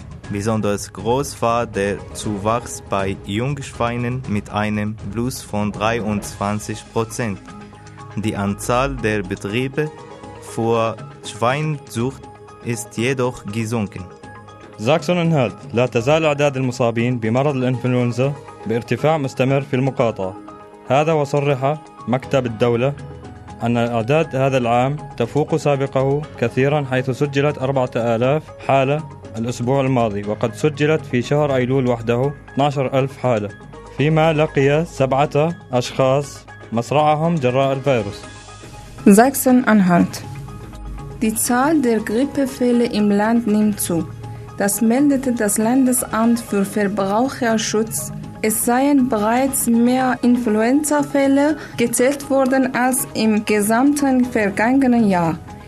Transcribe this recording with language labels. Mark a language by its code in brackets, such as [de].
[de] Besonders groß war der Zuwachs bei Jungschweinen mit einem Plus von 23%. Die Anzahl der Betriebe für Schweinzucht ist jedoch gesunken. Sachsen-Anhalt. [ar] لا تزال أعداد المصابين بمرض الإنفلونزا بارتفاع مستمر في المقاطعة. هذا وصرح مكتب الدولة أن الأعداد هذا العام تفوق سابقه كثيرا، حيث سجلت 4000 حالة الأسبوع الماضي، وقد سجلت في شهر أيلول وحده 12000 حالة، فيما لقي 7 أشخاص مصرعهم جراء الفيروس. [de] Sachsen-Anhalt. Die Zahl der Grippefälle im Land nimmt zu. Das meldete das Landesamt für Verbraucherschutz. Es seien bereits mehr Influenza-Fälle gezählt worden als im gesamten vergangenen Jahr.